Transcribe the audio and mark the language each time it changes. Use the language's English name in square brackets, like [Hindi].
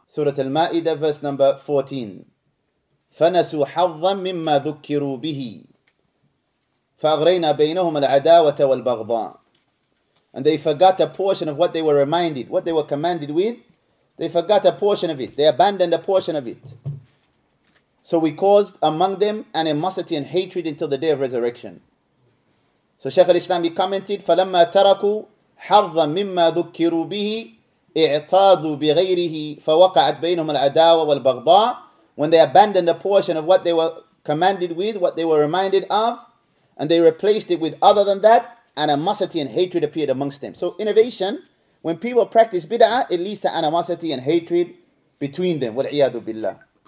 [English] Surah Al-Ma'idah, verse number 14. [Arabic] فَنَسُوا حَظًّا مِمَّا ذُكِّرُوا بِهِ فَأَغْرَيْنَا بَيْنَهُمَ الْعَدَاوَةَ وَالْبَغْضَاءِ. [English] And they forgot a portion of what they were reminded, what they were commanded with. They forgot a portion of it. They abandoned a portion of it. So we caused among them animosity and hatred until the day of resurrection. So Shaykh al-Islam, he commented, [Arabic] فَلَمَّا تَرَكُوا حَظًّا مِمَّا ذُكِّرُوا بِهِ اِعْتَاذُوا بِغَيْرِهِ فَوَقَعَتْ بَيْنُهُمَ الْعَدَاوَ وَالْبَغْضَاءِ. [English] When they abandoned a portion of what they were commanded with, what they were reminded of, and they replaced it with other than that, animosity and hatred appeared amongst them. So innovation, when people practice bid'ah, it leads to animosity and hatred between them. [Arabic] وَالْعِيَاذُ بِاللَّهِ.